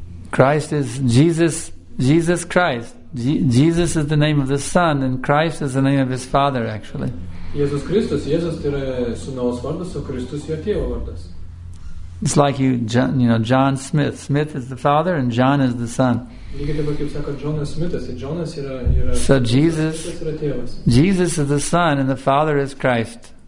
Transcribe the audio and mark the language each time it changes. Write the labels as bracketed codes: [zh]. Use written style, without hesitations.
[en] Christ is Jesus Christ. Jesus is the name of the Son, and Christ is the name of his Father, actually. [lt] Jėzus Kristus, Jėzus tai yra sūnaus vardas, o Kristus yra tėvo vardas. [en] It's like John Smith. Smith is the father and John is the son. [lt] Lygiai taip pat kaip sako Jonas Smithas, ir Jonas yra [en] So Jesus, [lt] yra tėvas. [en] Jesus is the son and the father is Christ.